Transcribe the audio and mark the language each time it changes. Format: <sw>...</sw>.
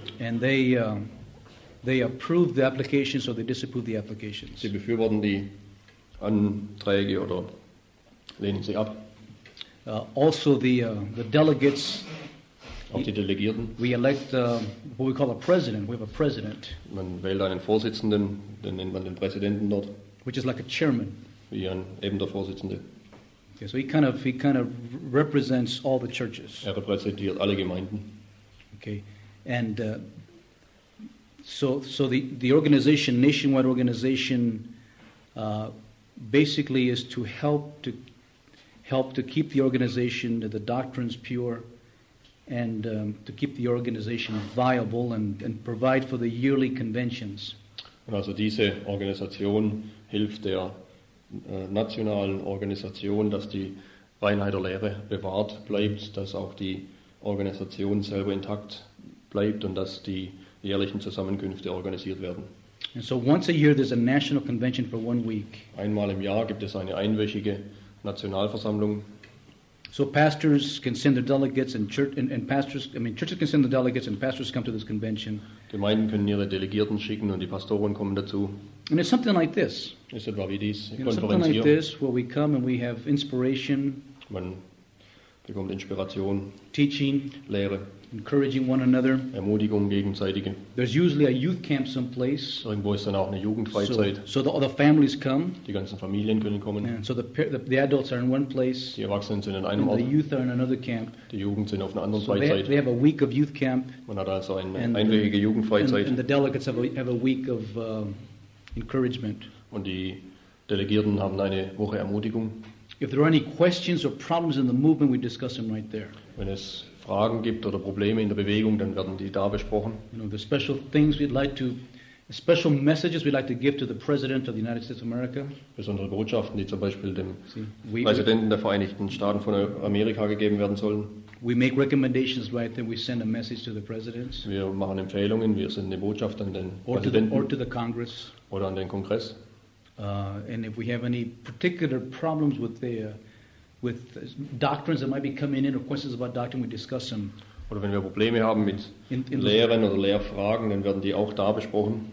<en>And they approve the applications or they disapprove the applications.</en> <de>Sie befürworten die Anträge oder lehnen sie ab.</de> <en>Also the delegates.</en> <de>Auch die Delegierten.</de> <en>We elect what we call a president. We have a president.</en> <de>Man wählt einen Vorsitzenden, den nennt man den Präsidenten dort.</de> <en>Which is like a chairman.</en> <de>Wie ein eben der Vorsitzende.</de> <en>Okay, so he kind of represents all the churches.</en> <de>Er repräsentiert alle Gemeinden.</de> <en>Okay, and so the organization, nationwide organization, basically is to help to keep the organization, the doctrines pure. And to keep the organization viable and provide for the yearly conventions.</en> <de>Und also diese Organisation hilft der nationalen Organisation, dass die Reinheit der Lehre bewahrt bleibt, dass auch die Organisation selber intakt bleibt und dass die jährlichen Zusammenkünfte organisiert werden.</de> <en>And so once a year there's a national convention for 1 week.</en> <de>Einmal im Jahr gibt es eine einwöchige Nationalversammlung.</de> <en>So pastors can send their delegates churches can send the delegates and pastors come to this convention.</en> <de>Gemeinden können ihre Delegierten schicken und die Pastoren kommen dazu.</de> <en>And it's something like this.</en> <de>Es ist etwa wie dies,</de> <en>something like this, where we come and we have inspiration.</en> <de>Man bekommt Inspiration.</de> <en>Teaching.</en> <de>Lehre.</de> <en>Encouraging one another.</en> <de>Ermutigung gegenseitige.</de> <en>There's usually a youth camp someplace.</en> <de>Irgendwo ist dann auch eine Jugendfreizeit.</de> <en>So the families come.</en> <de>Die ganzen Familien können kommen.</de> <en>And so the adults are in one place.</en> <de>Die Erwachsenen sind in einem and Ort.</de> <en>The youth are in another camp.</en> <de>Die Jugend sind auf einer anderen so Freizeit.</de> <en>They have a week of youth camp.</en> <de>Man hat also eine einwöchige Jugendfreizeit.</de> <en>And the delegates have a week of encouragement.</en> <de>Und die Delegierten haben eine Woche Ermutigung.</de> <en>If there are any questions or problems in the movement, we discuss them right there.</en> <de>Wenn es Fragen gibt oder Probleme in der Bewegung, dann werden die da besprochen.</de> <en>You know, the special things we'd like to, special messages we'd like to give to the President of the United States of America.</en> <de>Besondere Botschaften, die zum Beispiel dem Präsidenten der Vereinigten Staaten von Amerika gegeben werden sollen.</de> <en>We make recommendations right then, we send a message to the President.</en> <de>Wir machen Empfehlungen, wir senden eine Botschaft an den</de> <en>Präsidenten. Or to the Congress.</en> <de>Oder an den Kongress.</de> <en>And if we have any particular problems with the with doctrines that might be coming in or questions about doctrine, we discuss them.</en> <de>Oder wenn wir Probleme haben mit in Lehren oder Lehrfragen, dann werden die auch da besprochen.</de>